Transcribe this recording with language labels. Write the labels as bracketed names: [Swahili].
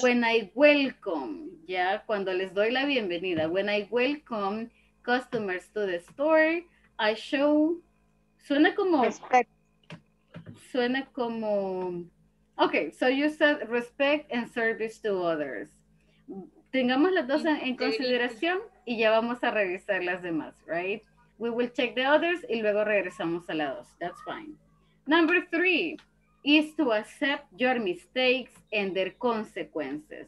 [English] When I welcome, yeah, [Spanish] cuando les doy la bienvenida. [English] When I welcome customers to the store, I show. [Spanish] Suena como. [English] Respect. [Spanish] Suena como, [English] okay, so you said respect and service to others. [Spanish] Tengamos las dos en consideración y ya vamos a revisar las demás, [English] right? We will check the others [Spanish] y luego regresamos a las dos. [English] That's fine. Number 3 is to accept your mistakes and their consequences.